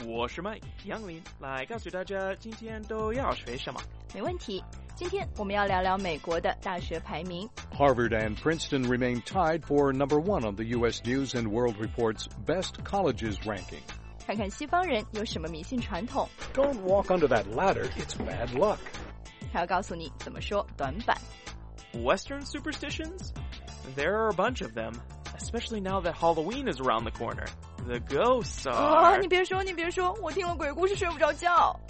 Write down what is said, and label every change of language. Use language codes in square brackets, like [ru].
[zh] 我是 Mike 杨林，来告诉大家今天都要学什么。没问题，今天我们要聊聊美国的大学排名。 [en] Harvard and Princeton remain tied for number one on the U.S. News and World Report's Best Colleges ranking. [zh] 看看西方人有什么迷信传统。 [en] Don't walk under that ladder; it's bad luck. [zh] 还要告诉你怎么说短板。 [en] Western superstitions? There are a bunch of them. Especially now that Halloween is around the corner. The ghosts are... [zh] 你别说，你别说，我听了鬼故事睡不着觉。